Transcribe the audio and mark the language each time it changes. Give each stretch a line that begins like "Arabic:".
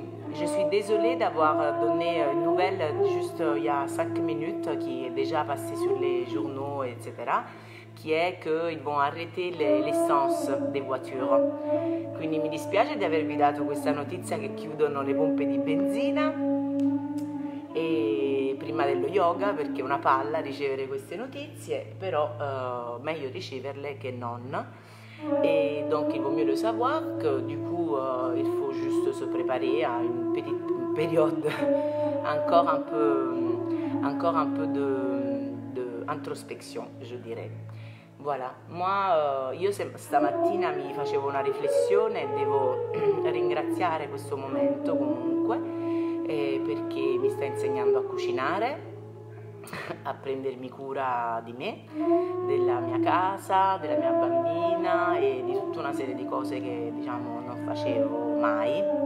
French: Je suis désolée d'avoir donné une nouvelle juste il y a 5 minutes qui est déjà passée sur les journaux, etc. qui est qu'ils vont arrêter l'essence des voitures.
Italian: Quindi mi dispiace di avervi dato questa notizia che chiudono le pompe di benzina e prima dello yoga, perché è una palla ricevere queste notizie, però meglio riceverle che non.
French: Et donc il vaut mieux le savoir que du coup il faut juste se préparer à une petite période encore un peu de introspection, je dirais.
Italian: Voilà, moi io stamattina mi facevo una riflessione e devo ringraziare questo momento comunque perché mi sta insegnando a cucinare, a prendermi cura di me, della mia casa, della mia bambina e di tutta una serie di cose che diciamo non facevo mai.